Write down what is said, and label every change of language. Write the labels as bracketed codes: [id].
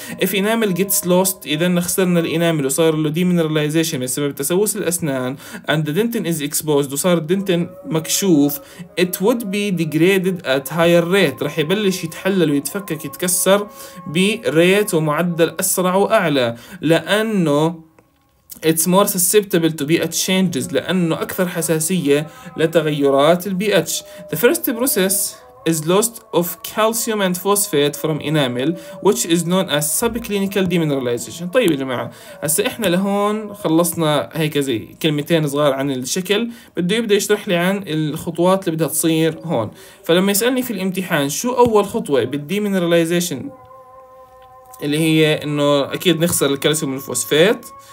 [en] if enamel gets lost [ar] اذا خسرنا الانامل وصار له ديمينراليزيشن بسبب تسوس الاسنان [en] and dentine is exposed [ar] وصار الدنتن مكشوف [en] it would be degraded at higher rate [ar] راح يبلش يتحلل ويتفكك يتكسر بريت ومعدل اسرع واعلى لانه [en] It's more susceptible to pH changes [ar] لأنه أكثر حساسية لتغيرات pH. [en] The first process is loss of calcium and phosphate from enamel, which is known as subclinical demineralization. [ar] طيب يا جماعة هسا إحنا لهون خلصنا هيك زي كلمتين صغار عن الشكل. بده يبدأ يشرح لي عن الخطوات اللي بدها تصير هون. فلما يسألني في الامتحان شو أول خطوة بالdemineralization اللي هي إنه أكيد نخسر الكالسيوم والفوسفات.